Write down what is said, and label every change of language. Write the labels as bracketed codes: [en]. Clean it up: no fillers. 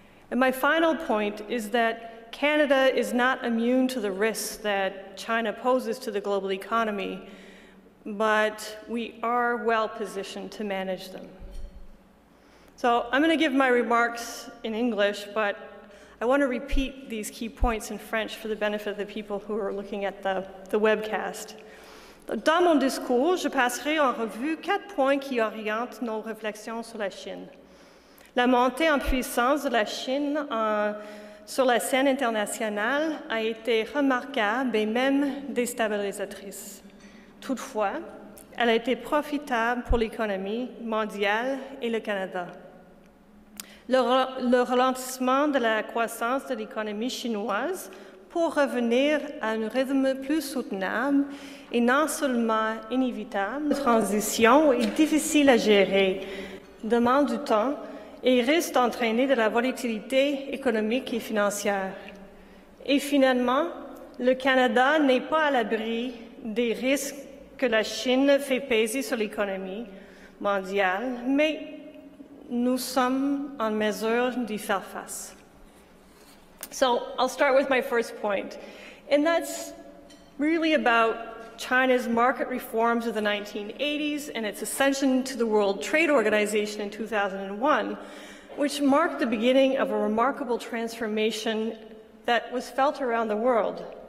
[en] And my final point is that Canada is not immune to the risks that China poses to the global economy, but we are well positioned to manage them. So I'm going to give my remarks in English, but I want to repeat these key points in French for the benefit of the people who are looking at the webcast. [fr] Dans mon discours, je passerai en revue quatre points qui orientent nos réflexions sur la Chine. La montée en puissance de la Chine sur la scène internationale a été remarquable et même déstabilisatrice. Toutefois, elle a été profitable pour l'économie mondiale et le Canada. Le ralentissement de la croissance de l'économie chinoise pour revenir à un rythme plus soutenable est non seulement inévitable, la transition est difficile à gérer, demande du temps et risque d'entraîner de la volatilité économique et financière. Et finalement, le Canada n'est pas à l'abri des risques que la Chine fait peser sur l'économie mondiale, mais nous sommes en mesure d'y faire face. [en] So I'll start with my first point, and that's really about China's market reforms of the 1980s and its ascension to the World Trade Organization in 2001, which marked the beginning of a remarkable transformation that was felt around the world.